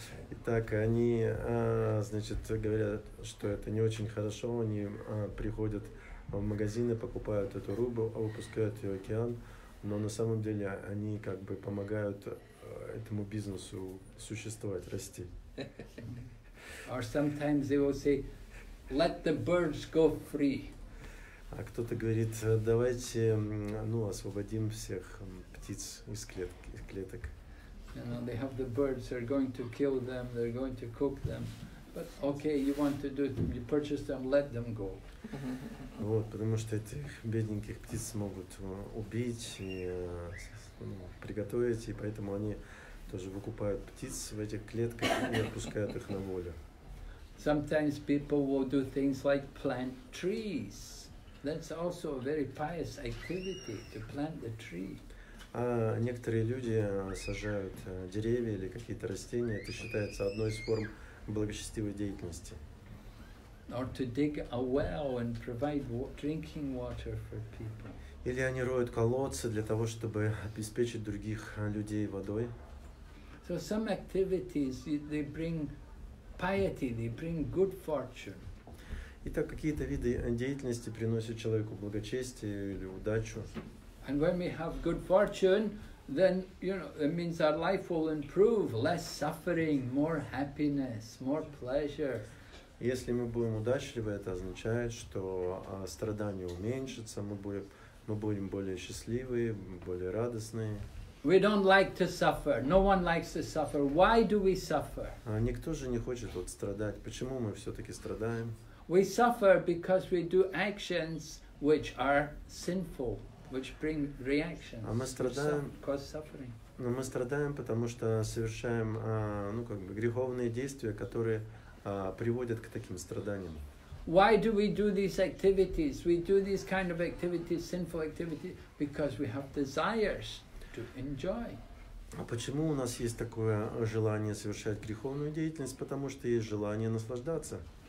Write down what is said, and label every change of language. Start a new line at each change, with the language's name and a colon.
Russian: Итак, они, значит, говорят, что это не очень хорошо. Они приходят в магазины, покупают эту рыбу, выпускают ее в океан. Но на самом деле они как бы помогают этому бизнесу существовать, расти.
English: Or sometimes they will say, let the birds go free.
Russian: А кто-то говорит, давайте, ну, освободим всех птиц из клетки, из клеток.
English: You know, they have the birds, they're going to kill them, they're going to cook them. But okay, you want to do it, you purchase them, let them go.
Russian: Вот, потому что этих бедненьких птиц могут убить и приготовить, и поэтому они тоже выкупают птиц в этих клетках и отпускают их на волю.
English: Sometimes people will do things like plant trees. That's also a very pious activity, to plant the tree.
Russian: А некоторые люди сажают деревья или какие-то растения. Это считается одной из форм благочестивой деятельности.
English: Or to dig a well and provide drinking water for people.
Russian: Или они роют колодцы для того, чтобы обеспечить других людей водой.
English: So some activities, they bring piety, they bring good fortune.
Russian: Итак, какие-то виды деятельности приносят человеку благочестие или удачу.
English: And when we have good fortune, then, you know, it means our life will improve, less suffering, more happiness, more pleasure.
Russian: Если мы будем удачливы, это означает, что страдания уменьшатся, мы будем более счастливые, более радостные.
English: We don't like to suffer. No one likes to suffer. Why do we suffer?
Russian: Никто же не хочет вот страдать. Почему мы все-таки страдаем?
English: We suffer because we do actions which are sinful, which bring reactions.
Russian: А мы страдаем,
English: which cause suffering.
Russian: Но мы страдаем, потому что совершаем, ну как бы греховные действия, которые приводят к таким страданиям.
English: Why do we do these activities? We do these kind of activities, sinful activities, because we have desires to enjoy.
Russian: А почему у нас есть такое желание совершать греховную деятельность? Потому что есть желание наслаждаться.